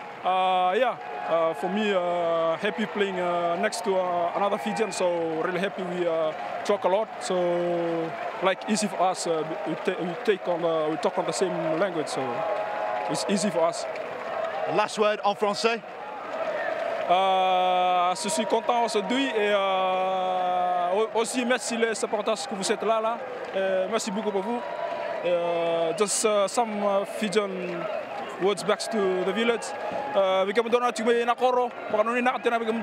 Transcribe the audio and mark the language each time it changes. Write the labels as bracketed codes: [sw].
[en] For me, happy playing next to another Fijian, so really happy we talk a lot. So, like, easy for us, we talk on the same language, so it's easy for us. And last word [fr] en français? Je suis content aujourd'hui et aussi merci les supporters que vous êtes là. Merci beaucoup pour vous. [en] Just some Fijian words back to the village. We came down to make a coro. We are not going to make a move.